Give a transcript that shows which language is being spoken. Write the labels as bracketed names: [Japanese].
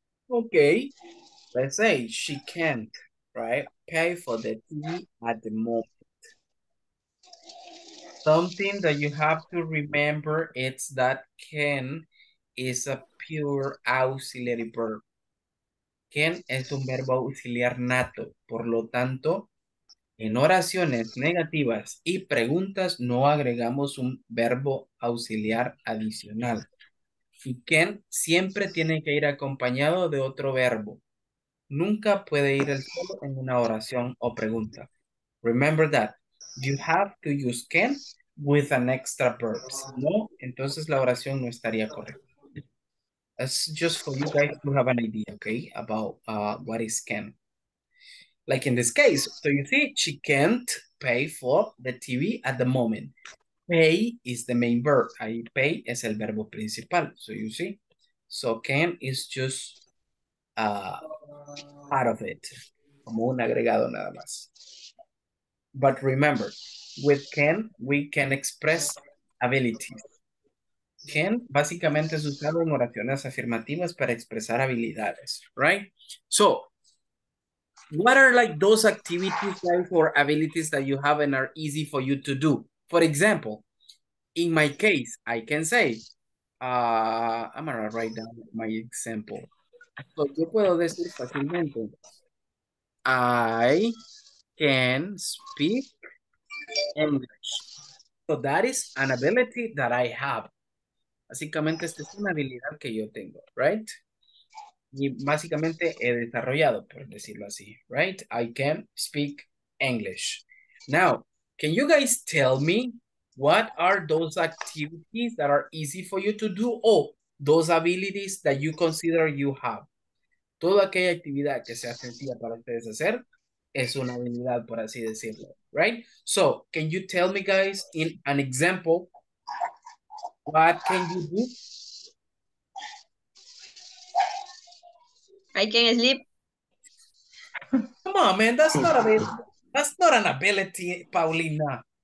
[English] Okay, let's say she can't, right? Pay for the TV at the moment. Something that you have to remember is that can is a pure auxiliary verb. [Spanish] Can es un verbo auxiliar nato. Por lo tanto, en oraciones negativas y preguntas no agregamos un verbo auxiliar adicional. Y can siempre tiene que ir acompañado de otro verbo. Nunca puede ir el solo en una oración o pregunta. [English] Remember that. You have to use can with an extra verb. [Spanish] Si no, entonces la oración no estaría correcta. [English] That's just for you guys to have an idea, okay, about what is can. Like in this case, so you see, she can't pay for the TV at the moment. Pay is the main verb. I pay [Spanish] es el verbo principal. [English] So you see, so can is just part of it, [Spanish] como un agregado nada más. [English] But remember, with can, we can express abilities. [Spanish] Can básicamente es usado en oraciones afirmativas para expresar habilidades, right? [English] So, what are like those activities like, or abilities that you have and are easy for you to do? For example, in my case, I can say, I'm gonna write down my example. So, [Spanish] yo puedo decir fácilmente, [English] I can speak English. So, that is an ability that I have. [Spanish] Básicamente, esta es una habilidad que yo tengo, right? Y básicamente he desarrollado, por decirlo así, right? [English] I can speak English. Now, can you guys tell me what are those activities that are easy for you to do? Oh, those abilities that you consider you have. [Spanish] Toda aquella actividad que sea sencilla para ustedes hacer es una habilidad, por así decirlo, right? [English] So, can you tell me, guys, in an example, what can you do? I can sleep. Come on, man, that's not a bit, that's not an ability, Paulina.